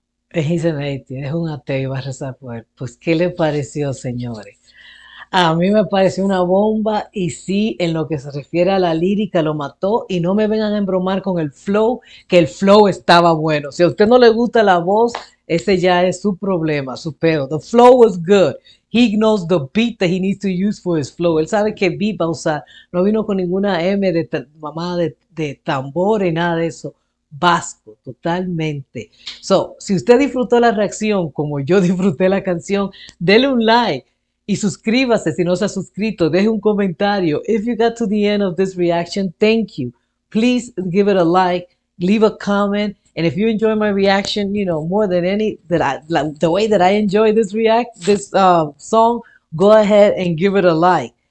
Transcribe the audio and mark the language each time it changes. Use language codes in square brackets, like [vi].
[es] Es un ateo y va a rezar por él. Pues, ¿qué le pareció, señores? A mí me pareció una bomba, y sí, en lo que se refiere a la lírica, lo mató. Y no me vengan a embromar con el flow, que el flow estaba bueno. Si a usted no le gusta la voz, ese ya es su problema, su pedo. [en] The flow was good. He knows the beat that he needs to use for his flow. [es] Él sabe qué beat va a usar. No vino con ninguna M de mamada de tambor y nada de eso. Vasco, totalmente. So, si usted disfrutó la reacción como yo disfruté la canción, dele un like. Y suscríbase si no se ha suscrito. Deje un comentario. [en] If you got to the end of this reaction, thank you. Please give it a like. Leave a comment. And if you enjoy my reaction, you know, more than any, that the way that I enjoy this song, go ahead and give it a like.